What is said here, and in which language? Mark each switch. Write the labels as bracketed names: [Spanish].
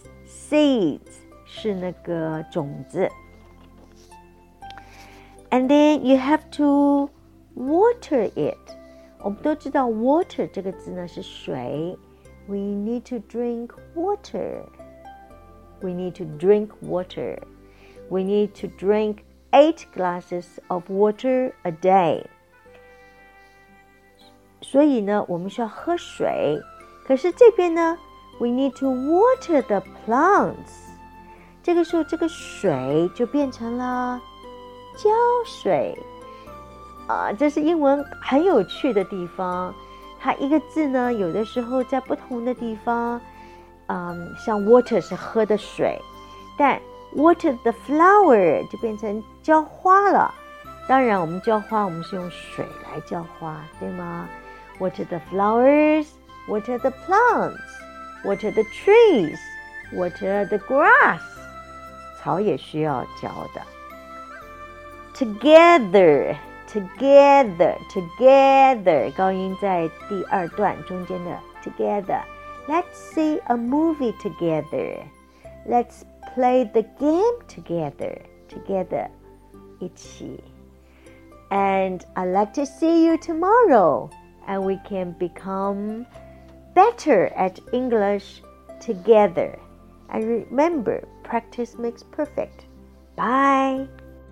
[English] Seeds 是那个种子 And then you have to water it 我们都知道 water 这个字呢是水 We need to drink water We need to drink water We need to drink 8 glasses of water a day [Chinese] 所以呢我们需要喝水可是这边呢 We need to water the plants. 这个时候这个水就变成了浇水。这是英文很有趣的地方。它一个字呢有的时候在不同的地方像 water 是喝的水。但 water the flower 就变成浇花了。当然我们浇花我们是用水来浇花对吗 ? Water the flowers, water the plants. [English] Water the trees, water the grass. [Chinese] 草也需要浇的。 [English] Together, together, together. [Chinese] 高音在第二段中间的 together. [English] Let's see a movie together. Let's play the game together. Together, 一起。 And I'd like to see you tomorrow. And we can becomeBetter at English together. And remember, practice makes perfect. Bye!